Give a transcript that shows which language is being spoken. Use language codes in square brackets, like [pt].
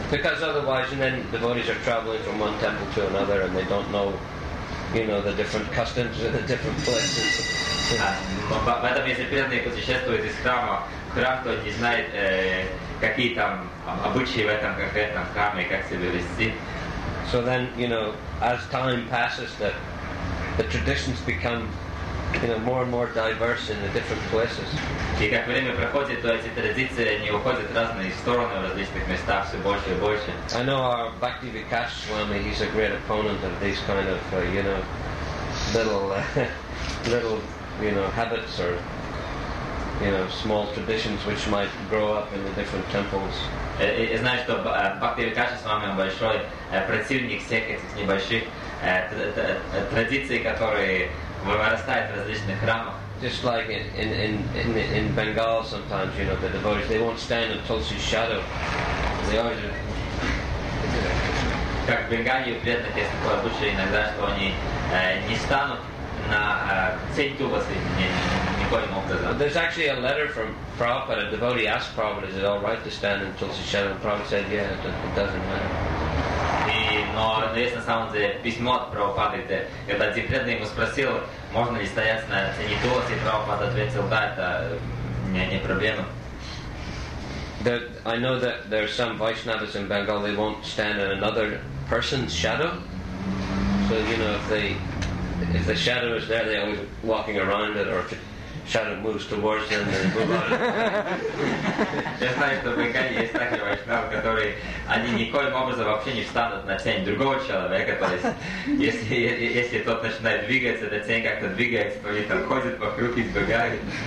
[en] Because otherwise, and then devotees are traveling from one temple to another, and they don't know, you know, the different customs in the different places. [ru] В этом если преданные путешествуют из храма в храм, то не знает, какие там обычаи в этом конкретном храме и как себя вести. [en] So then, you know, as time passes, the traditions become, you know, more and more diverse in the different places. [ru] И как время проходит, то эти традиции они уходят в разные стороны, в различных местах все больше и больше. [en] I know our Bhakti Vikas Swami, he's a great opponent of these kind of, you know, little, you know, habits or, you know, small traditions which might grow up in the different temples. [ru] И знаешь, что Бхакти Викаша с вами большой противник всех этих небольших традиций, которые вырастают в различных храмах. [en] Just like in Bengal sometimes, you know, the devotees, they won't stand in Tulsi's shadow. They always... [ru] Как в Бенгалии у преданных есть такое обычай иногда, что они не станут на тень Тулсы. [en] But there's actually a letter from Prabhupada. A devotee asked Prabhupada, is it all right to stand in Tulsi's shadow? And Prabhupada said, yeah, it doesn't matter. [ru] Но есть на самом деле письмо от Прабхупады, когда один преданный ему спросил, можно ли стоять на тени Тулсы, и Прабхупада ответил, да, это не проблема. [en] I know that there are some Vaishnavas in Bengal, they won't stand in another person's shadow. So, you know, if the shadow is there, they're always walking around it, or shadow moves towards them, and move on. [ru] Я знаю, что в Бенгалии есть такие вайшнавы, которые они никоим образом вообще не встанут на тень другого человека. То есть, если тот начинает двигаться, эта тень как-то двигается, то они там ходят вокруг и сбегают.